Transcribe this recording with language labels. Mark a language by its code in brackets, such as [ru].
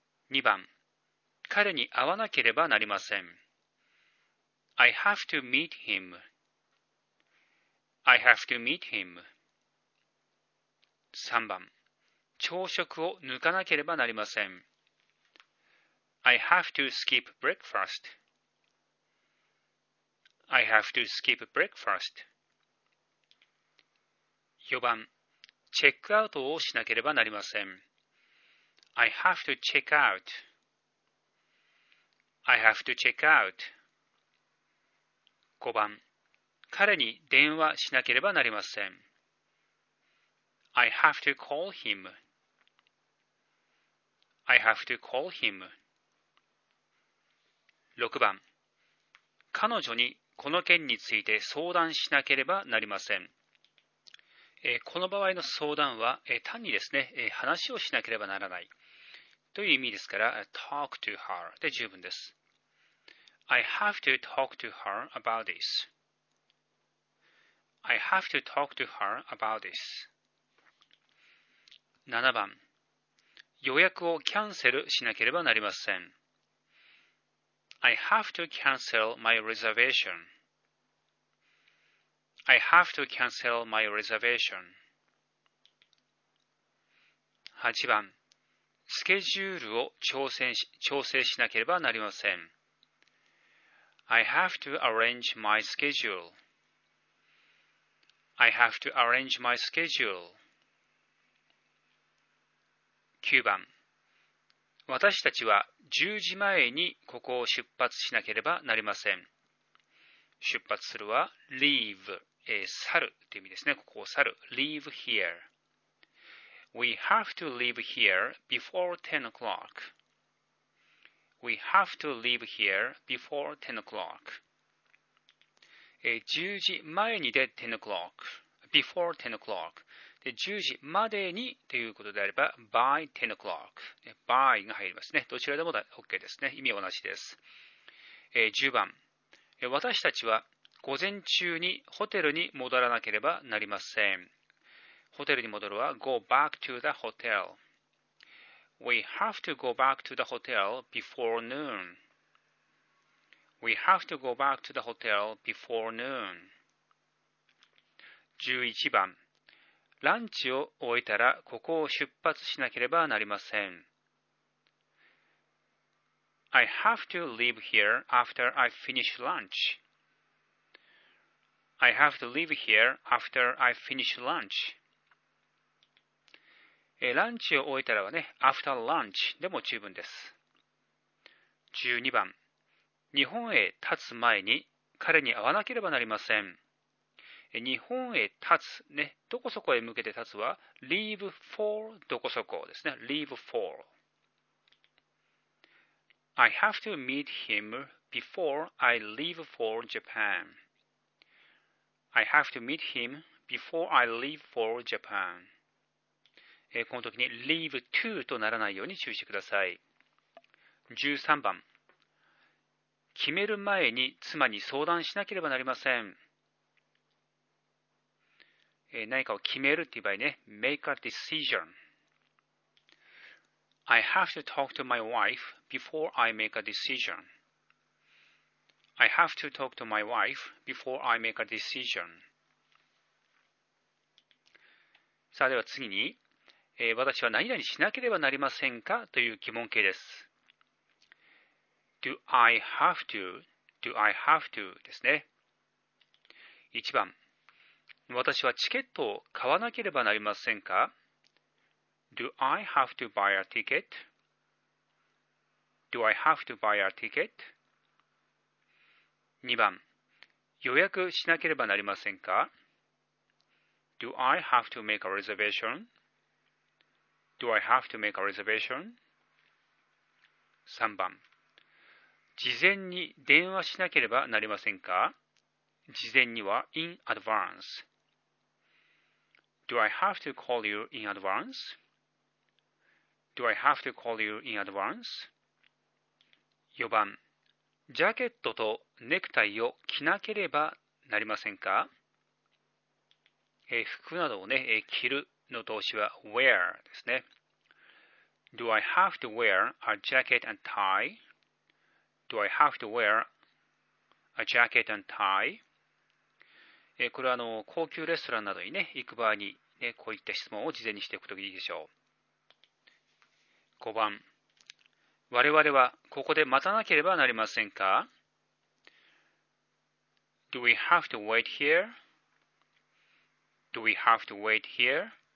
[ja] 2番、彼に会わなければなりません。 [en] I have to meet him. I have to meet him. [ja] 3番、朝食を抜かなければなりません。 [en] I have to skip breakfast. I have to skip breakfast. [ja] 4番、チェックアウトをしなければなりません。 [en] I have to check out. I have to check out. [ja] 5番、彼に電話しなければなりません。 [en] I have to call him. I have to call him. [ja] 6番、彼女にこの件について相談しなければなりません。この場合の相談は、単にですね、話をしなければならないという意味ですから、 [en] talk to her [ja] で十分です。 [en] I have to talk to her about this. I have to talk to her about this. [ja] 7番、予約をキャンセルしなければなりません。 [en] I have to cancel my reservation. I have to cancel my reservation. [ja] 8番、スケジュールを調整しなければなりません。 [en] I have to arrange my schedule. I have to arrange my schedule. [ja] 9番、私たちは10時前にここを出発しなければなりません。出発するは leave、去るという意味ですね。ここを去る。 [en] leave here. We have to leave here before 10 o'clock. We have to leave here before 10 o'clock.、 [ja] 10時前にで [en] 10 o'clock. Before 10 o'clock. [ja] で10時までにということであれば [en] by 10 o'clock [ja] by が入りますね。どちらでも OK ですね。意味は同じです。10番、私たちは午前中にホテルに戻らなければなりません。ホテルに戻るは [en] go back to the hotel. We have to go back to the hotel before noon. We have to go back to the hotel before noon. [ja] 11番、ランチを終えたらここを出発しなければなりません。 [en] I have to leave here after I finish lunch. I have to leave here after I finish lunch. [ja] ランチを終えたらはね、 [en] after lunch [ja] でも十分です。 12番、日本へ立つ前に彼に会わなければなりません。日本へ立つ、ね、どこそこへ向けて立つは [en] leave for [ja] どこそこですね。 [en] leave for。 I have to meet him before I leave for Japan. I have to meet him before I leave for Japan. [ja] この時に [en] leave to [ja] とならないように注意してください。13番、決める前に妻に相談しなければなりません。何かを決めるという場合ね、 [en] make a decision. I have to talk to my wife before I make a decision. I have to talk to my wife before I make a decision. [ja] さあでは次に、私は何々しなければなりませんかという疑問形です。 [en] Do I have to? Do I have to? ですね。 [ja] 1番、私はチケットを買わなければなりませんか? [en] Do I have to buy a ticket? Do I have to buy a ticket? [ja] 2番、予約しなければなりませんか? [en] Do I have to make a reservation? Do I have to make a reservation? [ja] 3番、事前に電話しなければなりませんか? 事前には [en] in advance。 Do I have to call you in advance? Do I have to call you in advance? [ja] 4番、ジャケットとネクタイを着なければなりませんか？服などを、ね、着るの動詞は wear ですね。 [en] Do I have to wear a jacket and tie? Do I have to wear a jacket and tie? [ja] これは高級レストランなどに、ね、行く場合に、ね、こういった質問を事前にしておくといいでしょう。5番、我々はここで待たなければなりませんか？ [en] Do we have to wait here? Do we have to wait here?